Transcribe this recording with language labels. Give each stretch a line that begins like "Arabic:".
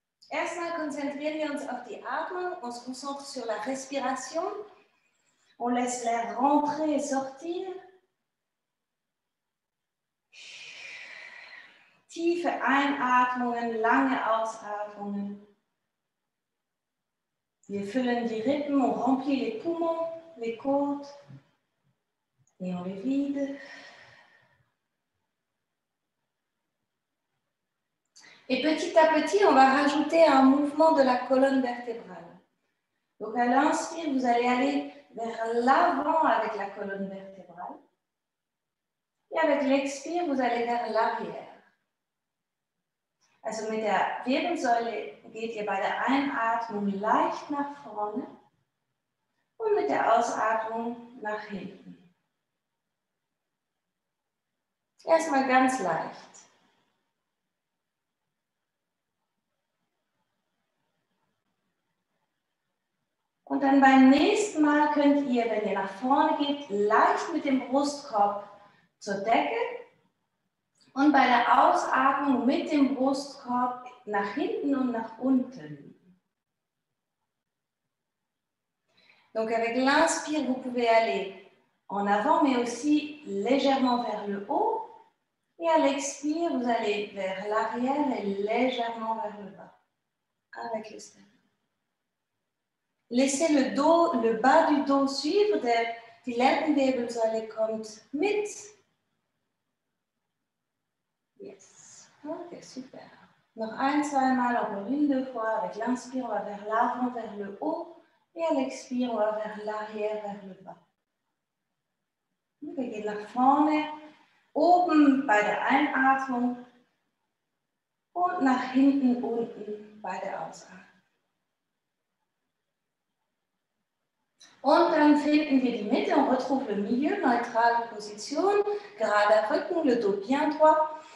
German: Erstmal konzentrieren wir uns auf die Atmung.
French: On se concentre sur la respiration. On laisse l'air rentrer et sortir.
German: Tiefe Einatmungen, lange Ausatmungen. Wir füllen die Rippen,
French: on remplit les poumons, les côtes, et on les vide. Et petit à petit, on va rajouter un mouvement de la colonne vertébrale. Donc à l'inspire, vous allez aller vers l'avant avec la colonne vertébrale. Et avec l'expire, vous allez vers l'arrière.
German: Also mit der Wirbelsäule geht ihr bei der Einatmung leicht nach vorne und mit der Ausatmung nach hinten. Erstmal ganz leicht. Und dann beim nächsten Mal könnt ihr, wenn ihr nach vorne geht, leicht mit dem Brustkorb zur Decke und bei der Ausatmung mit dem Brustkorb nach hinten und nach unten.
French: Donc avec l'inspire, vous pouvez aller en avant, mais aussi légèrement vers le haut. Et à l'expire, vous allez vers l'arrière et légèrement vers le bas. Avec le sternum. Laissez le bas du dos suivre.
German: Der Lendenwirbelsäule kommt mit.
English: Yes. Ok, super.
German: Noch ein, zweimal,
French: encore une, deux fois. Avec l'inspire, on va vers l'avant, vers le haut. Et à l'expire, on va vers l'arrière, vers le bas.
German: Veillez nach vorne, oben bei der Einatmung und nach hinten, unten bei der Ausatmung. Und dann finden wir die Mitte und
French: retrouve le milieu,
German: neutrale Position, gerader Rücken,
French: le dos bien droit.